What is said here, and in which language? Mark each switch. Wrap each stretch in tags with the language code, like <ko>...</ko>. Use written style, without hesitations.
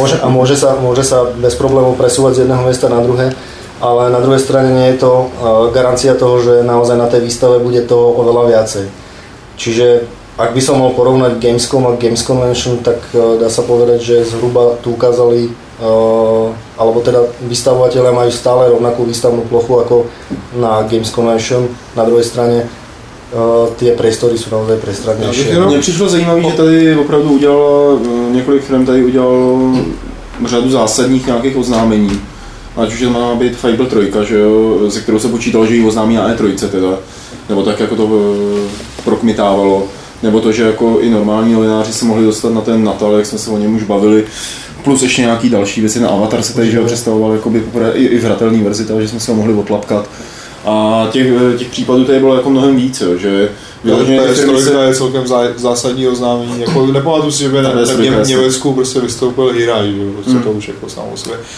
<sk>Môže sa bez problémov presúvať z jedného miesta na druhé, ale na druhej strane nie je to garancia toho, že naozaj na tej výstave bude to oveľa viacej. Čiže ak by som mal porovnať Gamescom a Games Convention, tak dá sa povedať, že zhruba tu ukázali, alebo teda vystavovatelia majú stále rovnakú výstavnú plochu ako na Games Convention. Na druhej strane tie priestory sú naozaj prestradnejšie. Mne prišlo zaujímavé,</sk> <cs>že tady opravdu udělal několik firm tady udělal řadu zásadních nějakých oznámení. Ať už to má být Fable 3, že jo, ze kterou se počítalo, že ji oznámí na E3 teda. Nebo tak jako to prokmitávalo. Nebo to, že jako i normální novináři se mohli dostat na ten Natal, jak jsme se o něm už bavili. Plus ještě nějaký další věci, na Avatar se tady, že jo, představoval jakoby poprvé i v hratelný verzi, takže jsme se ho mohli otlapkat. A těch případů tady bylo jako mnohem víc, jo, že PS3 je celkem zásadní oznámení, jako nepamatuji si, že by v Německu prostě vystoupil Hirai, to už jako samo sebe.</cs>